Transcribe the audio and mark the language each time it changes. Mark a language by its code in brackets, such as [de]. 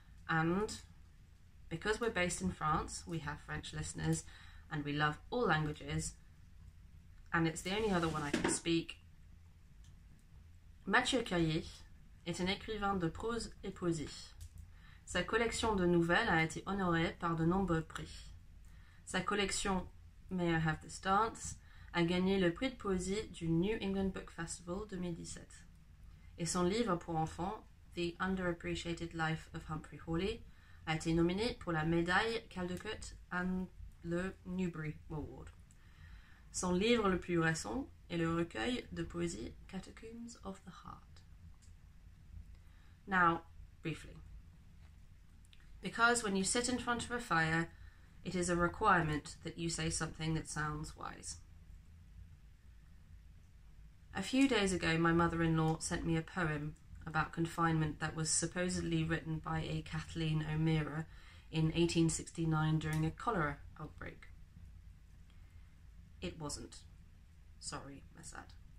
[en] And because we're based in France, we have French listeners and we love all languages, and it's the only other one I can speak, [fr] Mathieu Cailler est un écrivain de prose et poésie. Sa collection de nouvelles a été honorée par de nombreux prix. Sa collection May I Have This Dance a gagné le prix de poésie du New England Book Festival 2017. Et son livre pour enfants, The Underappreciated Life of Humphrey Hawley, a été nominé pour la médaille Caldecott [en] and [fr] le Newbery Award. Son livre le plus récent est le recueil de poésie Catacombs of the Heart. [en] Now, briefly. Because when you sit in front of a fire, it is a requirement that you say something that sounds wise. A few days ago, my mother-in-law sent me a poem about confinement that was supposedly written by a Kathleen O'Meara in 1869 during a cholera outbreak. It wasn't. Sorry, my sad.